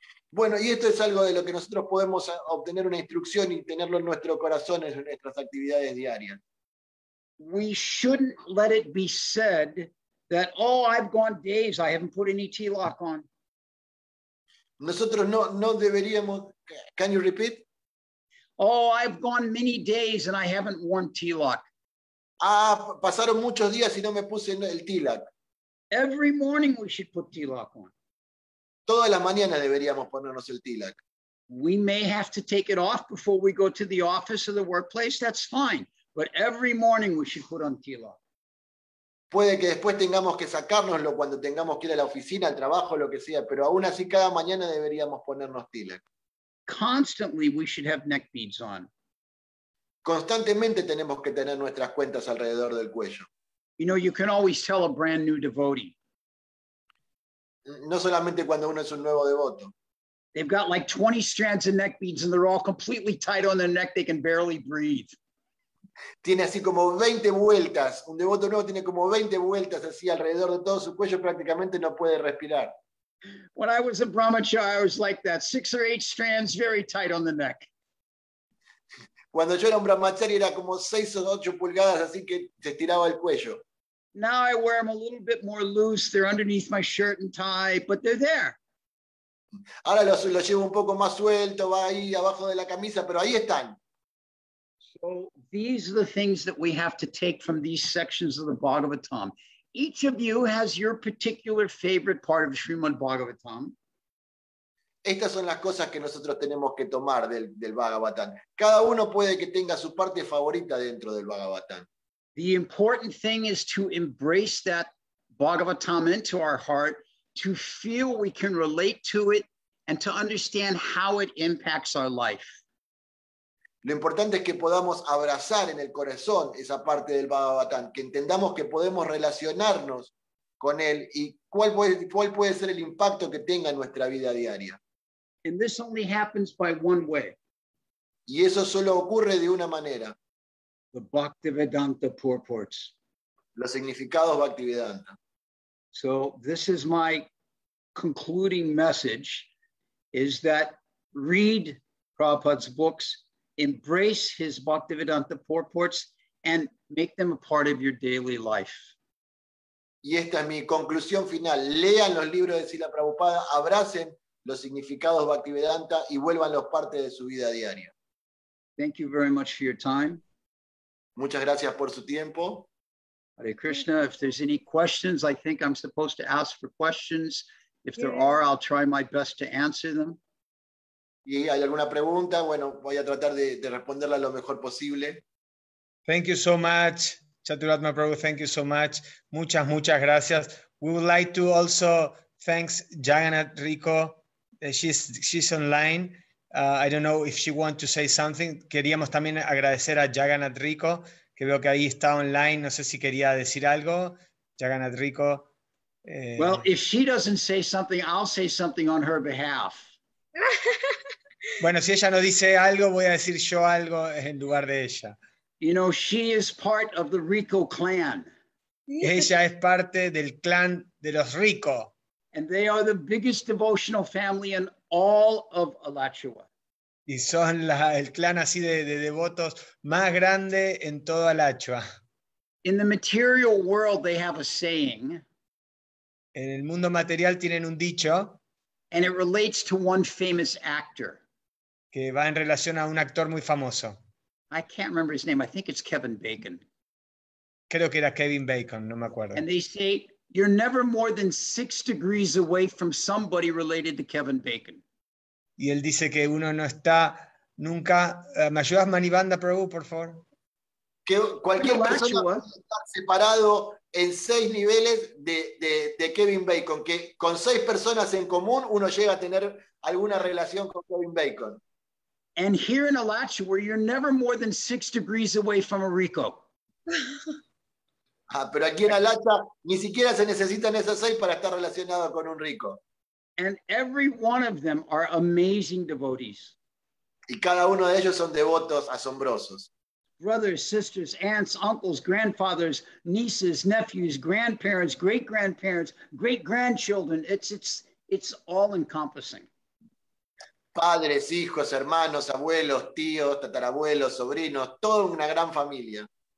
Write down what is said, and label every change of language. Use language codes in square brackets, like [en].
[es] Bueno, y esto es algo de lo que nosotros podemos obtener una instrucción y tenerlo en nuestro corazón en nuestras actividades diarias. [en] We shouldn't let it be said that, oh, I've gone days, I haven't put any tilak on. [es] Nosotros no deberíamos, [en] can you repeat? Oh, I've gone many days and I haven't worn tilak. [es] Ah, pasaron muchos días y no me puse el tilak. [en] Every morning we should put tilak on. [es] Todas las mañanas deberíamos ponernos el tilak. [en] We may have to take it off before we go to the office or the workplace, that's fine. But every morning we should put on tilak. [es] Puede que después tengamos que sacárnoslo cuando tengamos que ir a la oficina, al trabajo, lo que sea, pero aún así cada mañana deberíamos ponernos tilak. [en] Constantly we should have neck beads on. [es] Constantemente tenemos que tener nuestras cuentas alrededor del cuello. [en] You know, you can always tell a brand new devotee. [es] No solamente cuando uno es un nuevo devoto. [en] They've got like 20 strands of neck beads and they're all completely tied on their neck, they can barely breathe. [es] Tiene así como 20 vueltas. Un devoto nuevo tiene como 20 vueltas así alrededor de todo su cuello, prácticamente no puede respirar. [en] When I was a brahmachari, I was like that. 6 or 8 strands very tight on the neck. [es] Cuando yo era un brahmachari, era como 6 o 8 pulgadas así que se estiraba el cuello. [en] Now I wear them a little bit more loose. They're underneath my shirt and tie, but they're there. [es] Ahora los llevo un poco más suelto, va ahí abajo de la camisa, pero ahí están. [en] So these are the things that we have to take from these sections of the Bhagavatam. Each of you has your particular favorite part of Srimad Bhagavatam. [es] Estas son las cosas que nosotros tenemos que tomar del Bhagavatam. Cada uno puede que tenga su parte favorita dentro del Bhagavatam. [en] The important thing is to embrace that Bhagavatam into our heart, to feel we can relate to it, and to understand how it impacts our life. [es] Lo importante es que podamos abrazar en el corazón esa parte del Bhagavatam, que entendamos que podemos relacionarnos con él y cuál puede ser el impacto que tenga en nuestra vida diaria. [en] And this only happens by one way. [es] Y eso solo ocurre de una manera. [en] The Bhaktivedanta purports. [es] Los significados Bhaktivedanta. [en] So this is my concluding message, is that read Prabhupada's books, embrace his Bhaktivedanta purports and make them a part of your daily life. [es] Y esta es mi conclusión final. Lean los libros de Srila Prabhupada, abracen los significados Bhaktivedanta y vuélvanlos parte de su vida diaria. [en] Thank you very much for your time. [es] Muchas gracias por su tiempo. [en] Hare Krishna, if there's any questions, I think I'm supposed to ask for questions. If there are, I'll try my best to answer them. [es] Y hay alguna pregunta, bueno, voy a tratar de responderla lo mejor posible. [en] Thank you so much, Chaturatma Prabhu, thank you so much. [es] Muchas, muchas gracias. [en] We would like to also thanks Jagannath Rico. She's online. I don't know if she wants to say something. [es] Queríamos también agradecer a Jagannath Rico, que veo que ahí está online. No sé si quería decir algo, Jagannath Rico. [en] Well, if she doesn't say something, I'll say something on her behalf. [es] Bueno, si ella no dice algo, voy a decir yo algo en lugar de ella. [en] You know, she is part of the Rico clan. [es] Ella es parte del clan de los Rico. [en] And they are the biggest devotional family in all of Alachua. [es] Y son el clan así de devotos más grande en todo Alachua. [en] In the material world, they have a saying. [es] En el mundo material tienen un dicho. [en] And it relates to one famous actor. [es] Que va en relación a un actor muy famoso. [en] I can't remember his name. I think it's Kevin Bacon. [es] Creo que era Kevin Bacon, no me acuerdo. [en] And they say, you're never more than 6 degrees away from somebody related to Kevin Bacon. [es] Y él dice que uno no está Nunca. ¿Me ayudas, Manibanda Prabhu, por favor? Que cualquier persona puede estar separado en 6 niveles de Kevin Bacon. Que con 6 personas en común uno llega a tener alguna relación con Kevin Bacon. [en] And here in Alachua, you're never more than 6 degrees away from a Rico. [es] Ah, pero aquí en Alachua ni siquiera se necesitan esas 6 para estar relacionado con un Rico. [en] And every one of them are amazing devotees. [es] Y cada uno de ellos son devotos asombrosos. [en] Brothers, sisters, aunts, uncles, grandfathers, nieces, nephews, grandparents, great-grandparents, great-grandchildren. It's all encompassing. [es] Padres, hijos, hermanos, abuelos, tíos, tatarabuelos, sobrinos, toda una gran familia.